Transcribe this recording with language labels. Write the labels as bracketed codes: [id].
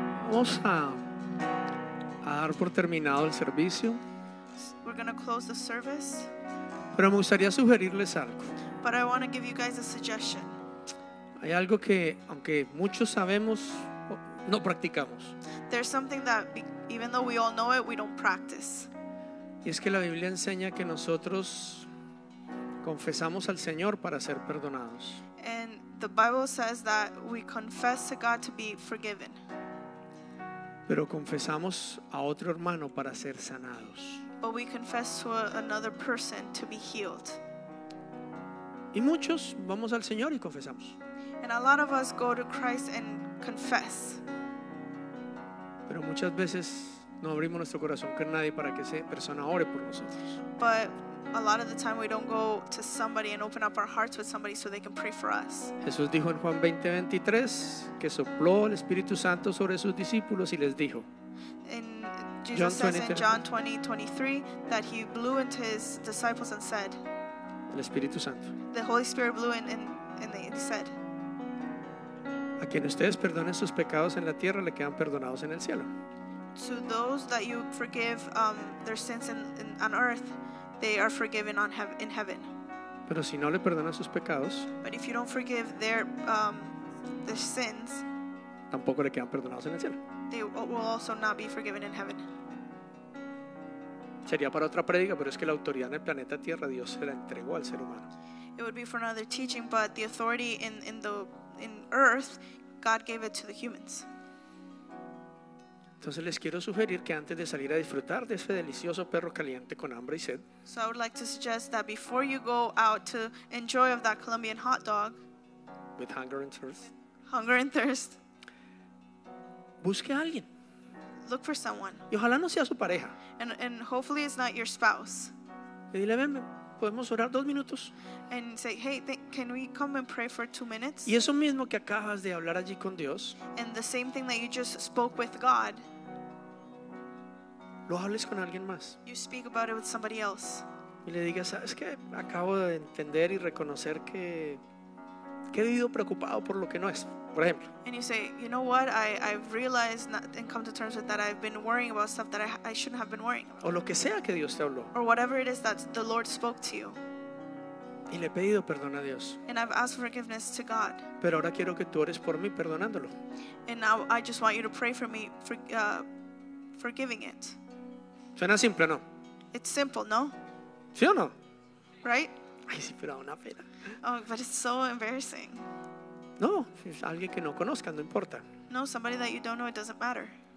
[es] vamos a dar por terminado el servicio. [en] We're going to close the service. [es] Pero me gustaría sugerirles algo. [en] But I want to give you guys a suggestion. [es] Hay algo que, aunque muchos sabemos, no practicamos. [en] There's something that, even though we all know it, we don't practice. [es] Y es que la Biblia enseña que nosotros confesamos al Señor para ser perdonados. [en] And the Bible says that we confess to God to be forgiven. [es] Pero confesamos a otro hermano para ser sanados. [en] But we confess to another person to be healed. [es] Y muchos vamos al Señor y confesamos. [en] And a lot of us go to Christ and confess. [es] Pero muchas veces no abrimos nuestro corazón con nadie para que esa persona ore por nosotros. [en] But a lot of the time we don't go to somebody and open up our hearts with somebody so they can pray for us. [es] Jesús dijo en Juan 20:23 que sopló el Espíritu Santo sobre sus discípulos y les dijo. [en] Jesus says in John 20:23 that he blew into his disciples and said. [es] El Espíritu Santo. [en] The Holy Spirit blew in and said. [es] A quien ustedes perdonen sus pecados en la tierra le quedan perdonados en el cielo. [en] To those that you forgive their sins on earth, they are forgiven in heaven. [es] Pero si no le perdonan sus pecados, [en] but if you don't forgive their sins, [es] tampoco le quedan perdonados en el cielo. [en] They will also not be forgiven in heaven. [es] Sería para otra prédica, pero es que la autoridad en el planeta Tierra Dios se la entregó al ser humano. [en] It would be for another teaching, but the authority in earth, God gave it to the humans. [es] Entonces les quiero sugerir que antes de salir a disfrutar de ese delicioso perro caliente con hambre y sed, [en] so I would like to suggest that before you go out to enjoy of that Colombian hot dog with hunger and thirst, [es] busque a alguien. [en] Look for someone. [es] Y ojalá no sea su pareja. [en] And hopefully it's not your spouse. [es] Y dile, ven, podemos orar dos minutos. [en] And say, hey, can we come and pray for 2 minutes? [es] Y eso mismo que acabas de hablar allí con Dios, [en] and the same thing that you just spoke with God, [es] lo hables con alguien más. [en] You speak about it with somebody else. [es] Y le digas, ¿sabes qué? Acabo de entender y reconocer que he vivido preocupado por lo que no es. Por ejemplo. [en] And you say, you know what? I've realized not, and come to terms with that. I've been worrying about stuff that I shouldn't have been worrying about. [es] O lo que sea que Dios te habló. [en] Or whatever it is that the Lord spoke to you. [es] Y le he pedido perdón a Dios. [en] And I've asked forgiveness to God. [es] Pero ahora quiero que tú ores por mí perdonándolo. [en] And now I just want you to pray for me for forgiving it. [es] Suena simple, ¿no? [en] It's simple, ¿no? [es] ¿Sí o no? [en] Right? [es] Ay, sí, pero da una pena. [en] Oh, but it's so embarrassing. [es] No, es alguien que no conozca, no importa. [en] No, somebody that you don't know, it doesn't matter.